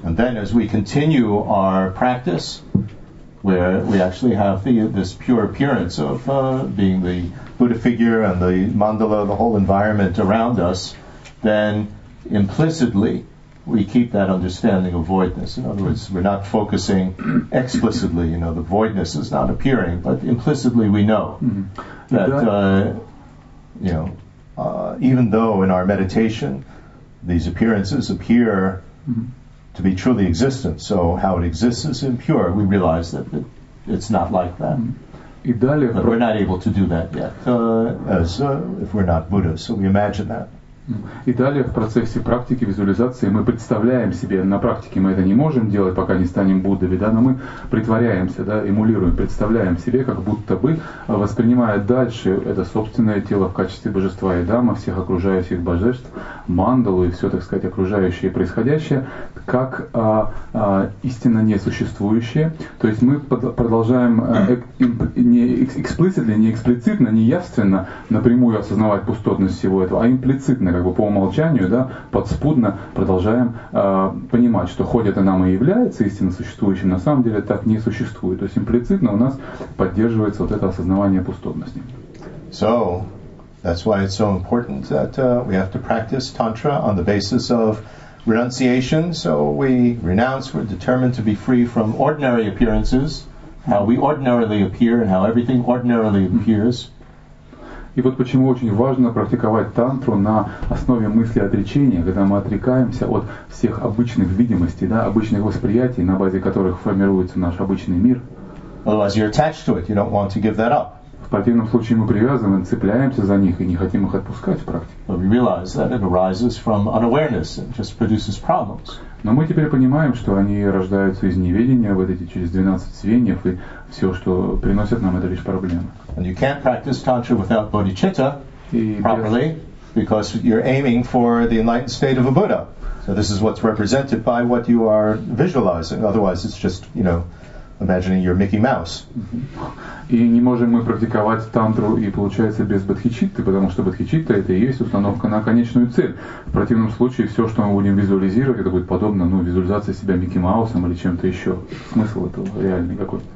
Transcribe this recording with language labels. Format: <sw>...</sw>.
<en>And then as we continue our practice, where we actually have this pure appearance of being the Buddha figure and the mandala, the whole environment around us, then implicitly we keep that understanding of voidness. In other words, we're not focusing explicitly, you know, the voidness is not appearing, but implicitly we know that, you know, even though in our meditation these appearances appear to be truly existent, so how it exists is impure, we realize that it's not like that.</en> <ru>И далее,</ru> <en>but we're not able to do that yet, if we're not Buddhas, so we imagine that.</en> <ru>И далее в процессе практики визуализации мы представляем себе, на практике мы это не можем делать, пока не станем Буддами, да, но мы притворяемся, да, эмулируем, представляем себе, как будто бы, воспринимая дальше это собственное тело в качестве божества Идама, всех окружающих божеств, мандалу и все, так сказать, окружающее и происходящее, как истинно несуществующее. То есть мы продолжаем не эксплицитно, не явственно напрямую осознавать пустотность всего этого, а имплицитно. Как бы по умолчанию, да, подспудно продолжаем понимать, что хоть это нам и является истинно существующим, на самом деле так не существует. То есть имплицитно у нас поддерживается вот это осознавание пустотности.</ru> <en>So, that's why it's so important that we have to practice Tantra on the basis of renunciation. So we renounce, we're determined to be free from ordinary appearances, how we ordinarily appear and how everything ordinarily appears.</en> <ru>И вот почему очень важно практиковать тантру на основе мысли отречения, когда мы отрекаемся от всех обычных видимостей, да, обычных восприятий, на базе которых формируется наш обычный мир.</ru> <en>Otherwise you're attached to it, you don't want to give that up.</en> <ru>В противном случае мы привязываем, цепляемся за них и не хотим их отпускать в практике.</ru> <en>But we realize that it arises from unawareness and just produces problems.</en> <ru>Но мы теперь понимаем, что они рождаются из неведения, вот эти через 12 звеньев, и все, что приносит нам, это лишь проблемы.</ru> <en>And you can't practice tantra without bodhicitta properly, because you're aiming for the enlightened state of a Buddha. So this is what's represented by what you are visualizing. Otherwise, it's just, you know, imagining you're Mickey Mouse.</en> <ru>И не можем мы практиковать тантру, и получается, без бодхичитты, потому что бодхичитта — это и есть установка на конечную цель. В противном случае, все, что мы будем визуализировать, это будет подобно, ну, визуализации себя Микки Маусом или чем-то еще. Смысл этого реальный какой.</ru>